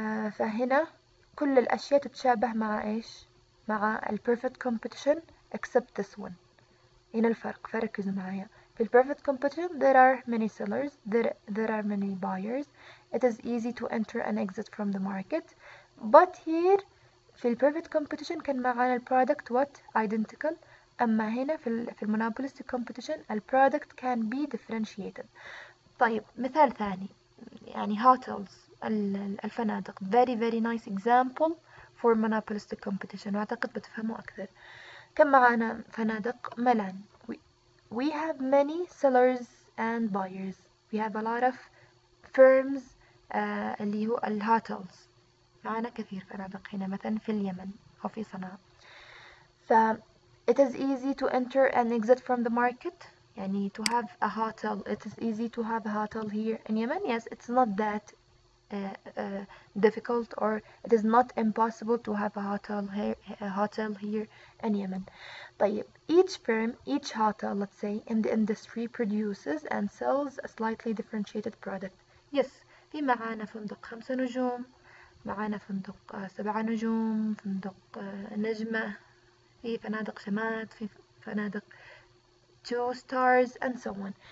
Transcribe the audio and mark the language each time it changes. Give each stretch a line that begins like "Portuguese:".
Arabic: فهنا كل الأشياء تتشابه مع إيش مع ال perfect competition except this one. هنا الفرق، فركزوا معايا.
English: في ال perfect competition there are many sellers, there are many buyers, it is easy to enter and exit from the market, but here في ال perfect competition
Arabic: كان معانا
English: ال product what identical.
Arabic: أما هنا في
English: ال monopolistic competition ال product can be differentiated.
Arabic: طيب مثال ثاني، يعني hotels الفنادق
English: very very nice example for monopolistic competition،
Arabic: وأعتقد بتفهموا أكثر. كم معانا فنادق ملان؟
English: we have many sellers and buyers, we have a lot of firms
Arabic: اللي هو ال
English: hotels.
Arabic: معانا كثير فنادق هنا مثلا في اليمن أو في صنعاء.
English: ف it is easy to enter and exit from the market. يعني to have a hotel, it is easy to have a hotel here in Yemen. Yes, it's not that difficult, or it is not impossible to have a hotel here in Yemen. طيب each firm, each hotel, let's say in the industry produces and sells a slightly differentiated product.
Arabic: Yes, في معانا فندق 5 نجوم، معانا فندق 7 نجوم، فندق نجمة. في فنادق شمات، في فنادق
English: 2 stars and so on.